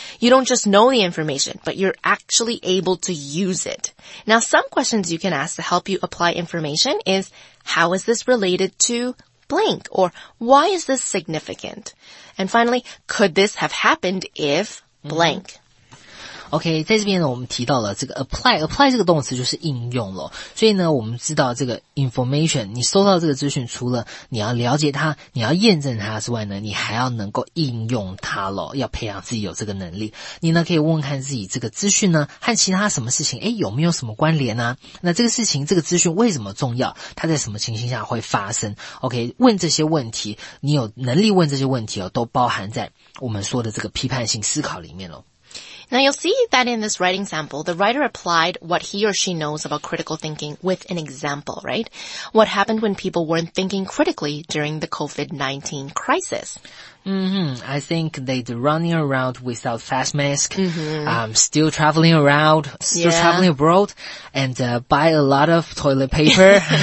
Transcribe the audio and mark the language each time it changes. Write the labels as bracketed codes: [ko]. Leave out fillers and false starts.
[en] You don't just know the information, but you're actually able to use it. Now, some questions you can ask to help you apply information is, how is this related to blank? Or why is this significant? And finally, could this have happened if blank? Mm-hmm. [zh] OK, 在这边呢我们提到了这个 apply 这个动词就是应用了，所以呢我们知道这个 information， 你收到这个资讯除了你要了解它，你要验证它之外呢，你还要能够应用它咯，要培养自己有这个能力。你呢可以问问看自己这个资讯呢和其他什么事情，诶，有没有什么关联啊？那这个事情，这个资讯为什么重要？它在什么情形下会发生？ OK， 问这些问题，你有能力问这些问题哦，都包含在我们说的这个批判性思考里面咯。 [en] Now you'll see that in this writing sample, the writer applied what he or she knows about critical thinking with an example, right? What happened when people weren't thinking critically during the COVID-19 crisis? Mm-hmm. I think they're running around without fast mask, still traveling around, traveling abroad, and buy a lot of toilet paper.